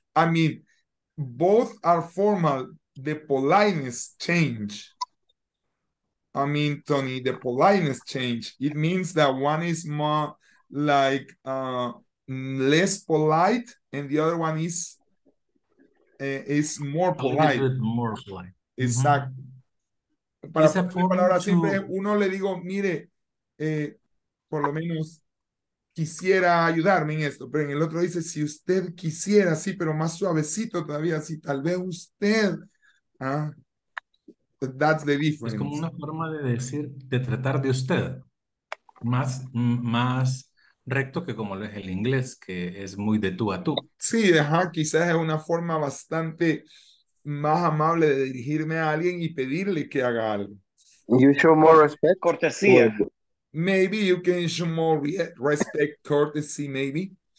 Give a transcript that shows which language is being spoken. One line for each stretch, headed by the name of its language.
English: I mean, both are formal. The politeness change. I mean, Tony, the politeness change. It means that one is more like less polite, and the other one is more polite. More polite. Exactly. Mm-hmm.
Spanish: Para poner palabras simples, uno le digo, mire, por lo menos quisiera ayudarme en esto, pero en el otro dice, si usted quisiera, sí, pero más suavecito todavía, si tal vez usted, ¿ah?
English: That's the difference.
Spanish: Es como una forma de decir, de tratar de usted, más recto que como lo es el inglés, que es muy de tú a tú. Sí, ajá, quizás es una forma bastante más amable de dirigirme a alguien y pedirle que haga algo.
English: You show more respect,
Spanish: cortesía.
English: Maybe you can show more respect, courtesy, maybe.